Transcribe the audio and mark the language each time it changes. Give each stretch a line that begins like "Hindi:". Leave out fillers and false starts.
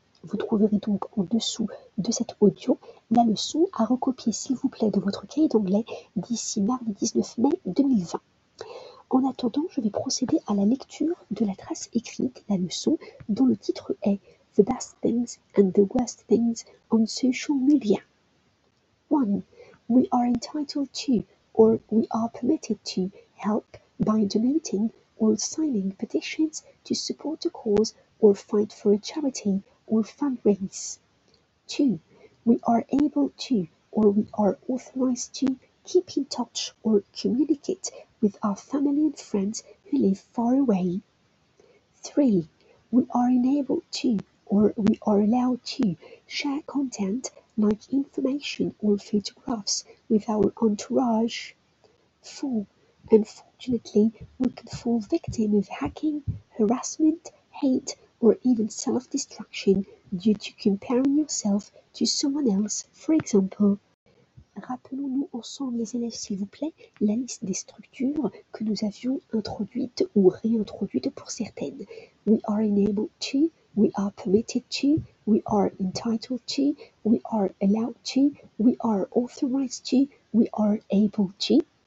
French: Vous trouverez donc en dessous de cet audio la leçon à recopier, s'il vous plaît, de votre cahier d'anglais d'ici mardi 19 mai 2020. En attendant, je vais procéder à la lecture de la trace écrite, la leçon, dont le titre est «
English: The best things and the worst things on social media ».
French: 1.
English: We are entitled to, or we are permitted to, help by donating or signing petitions to support a cause or fight for a charity or fundraise. 2. We are able to, or we are authorized to, keep in touch or communicate with our family and friends who live far away. 3. We are enabled to, or we are allowed to, share content like information or photographs with our entourage. 4. Unfortunately, we could fall victim of hacking, harassment, hate, or even self-destruction due to comparing yourself to someone else, for example.
French: Rappelons-nous ensemble, les élèves, s'il vous plaît, la liste des structures que nous avions introduites ou réintroduites pour certaines.
English: We are enabled to, we are permitted to, we are entitled to, we are allowed to, we are authorized to, we are able to.